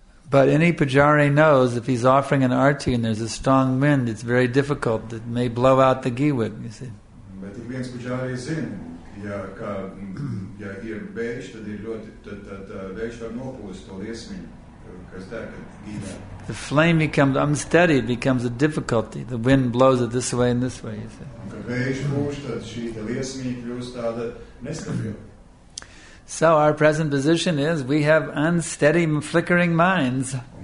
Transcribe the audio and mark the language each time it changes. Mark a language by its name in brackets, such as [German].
[English] But any pujari knows if he's offering an arti and there's a strong wind, it's very difficult. It may blow out the giwig, you see. [Latvian] Bet ik viens pujari zin, ja ir vējš, tad ir ļoti, tad vējš var nopūst to liesmiņu, kas der, kad gīvē. [English] The flame becomes unsteady, it becomes a difficulty. The wind blows it this way and this way, you see. [Latvian] Kad vējš būs, tad šī liesmiņa kļūst tāda nestabila. [English] So our present position is we have unsteady, flickering minds.